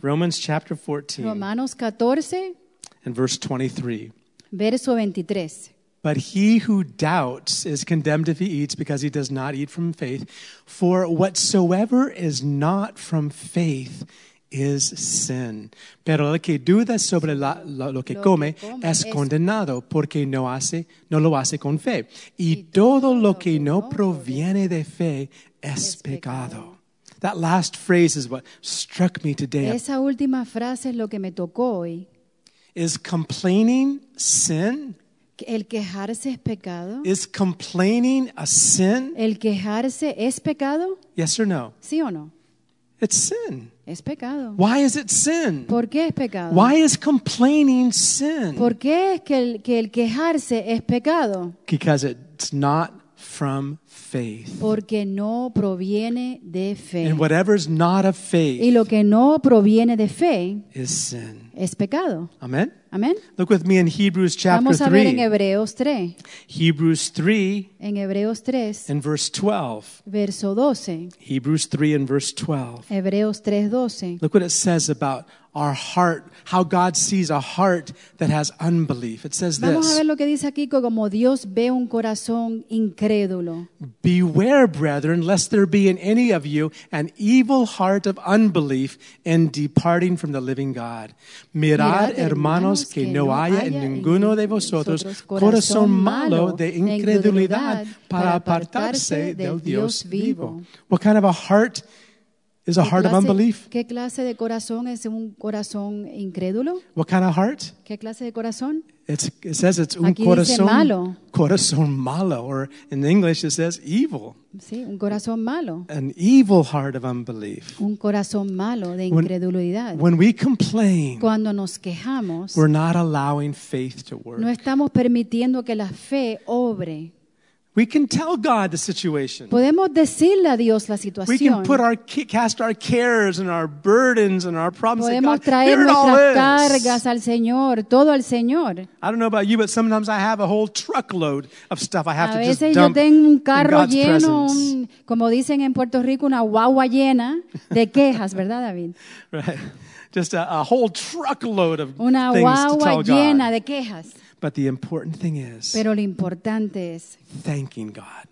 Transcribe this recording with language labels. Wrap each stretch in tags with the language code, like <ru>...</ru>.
<en>Romans chapter 14.</en> <es>Romanos 14.</es> <en>And verse 23.</en> <es>Verso 23.</es> <en>But he who doubts is condemned if he eats because he does not eat from faith. For whatsoever is not from faith is sin.</en> <es>Pero el que duda sobre lo que come es condenado porque no lo hace con fe. Y todo lo que no proviene de fe es pecado.</es> <en>That last phrase is what struck me today.</en> <es>Esa última frase es lo que me tocó hoy.</es> <en>Is complaining sin?</en> <es>El quejarse es pecado.</es> <en>Is complaining a sin?</en> <es>El quejarse es pecado.</es> <en>Yes or no?</en> <es>Sí o no?</es> <en>It's sin.</en> <es>Es pecado.</es> <en>Why is it sin?</en> <es>¿Por qué es pecado?</es> <en>Why is complaining sin?</en> <es>¿Por qué es que el quejarse es pecado?</es> <en>Because it's not from faith.</en> <es>Porque no proviene de fe.</es> <en>And whatever is not of faith.</en> <es>Y lo que no proviene de fe</es> <en>is sin.</en> <es>Es pecado.</es> <en>Amen.</en> <es>Amen.</es> <en>Look with me in Hebrews chapter 3.</en> <es>Vamos a ver en Hebreos 3.</es> <en>Hebrews 3.</en> <es>En Hebreos 3.</es> <en>In verse 12.</en> <es>Verso 12.</es> <en>Hebrews 3 and verse 12.</en> <es>Hebreos 3, 12.</es> <en>Look what it says about our heart, how God sees a heart that has unbelief. It says this.</en> <es>Vamos a ver lo que dice aquí, como Dios ve un corazón incrédulo.</es> <en>Beware, brethren, lest there be in any of you an evil heart of unbelief in departing from the living God.</en> <es>Mirad, hermanos, que no haya en ninguno de vosotros corazón malo de incredulidad para apartarse del Dios vivo.</es> <en>What kind of a heart is a heart of unbelief?</en> <es>¿Qué clase de corazón es un corazón incrédulo?</es> <en>What kind of heart?</en> <es>¿Qué clase de corazón?</es> <en>It says it's</en> <es>un corazón malo. Corazón malo,</es> <en>or in English it says evil.</en> <es>Sí, un corazón malo.</es> <en>An evil heart of unbelief.</en> <es>Un corazón malo de incredulidad.</es> <en>When we complain,</en> <es>cuando nos quejamos,</es> <en>we're not allowing faith to work.</en> <es>No estamos permitiendo que la fe obre.</es> <en>We can tell God the situation.</en> <es>Podemos decirle a Dios la situación.</es> <en>We can cast our cares and our burdens and our problems to God.</en> <es>Podemos traer nuestras cargas al Señor, todo al Señor.</es> <en>I don't know about you, but sometimes I have a whole truckload of stuff I have to just dump.</en> <es>A veces yo tengo un carro lleno, como dicen en Puerto Rico, una guagua llena de quejas, ¿verdad, David?</es> <en>Right. Just a whole truckload of</en> <es>una</es> <en>things to tell God.</en> <es>Una guagua llena de quejas.</es> <en>But the important thing is,</en> <es>pero lo importante es,</es> <en>thanking God.</en>